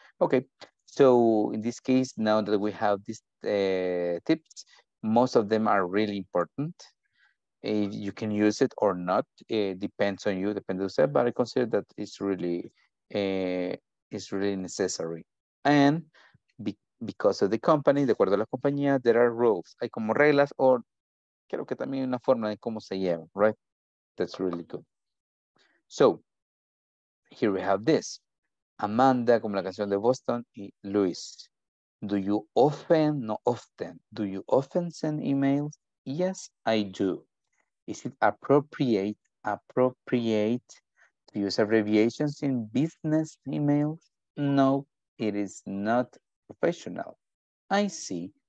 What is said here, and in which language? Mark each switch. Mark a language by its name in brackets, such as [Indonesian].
[English] Okay, so in this case, now that we have these tips, most of them are really important. You can use it or not. It depends on you, [Spanish] depende de usted, [English] but I consider that it's really is really necessary. And because of the company, [Spanish] de acuerdo a la compañía, [English] there are rules. [Spanish] Hay como reglas, o creo que también hay una forma de cómo se lleva, [English] right? That's really good. So, here we have this. [Spanish] Amanda, como la canción de Boston, y Luis. [English] Do you often, no often, do you often send emails? Yes, I do. Is it appropriate appropriate to use abbreviations in business emails? No, it is not professional. I see.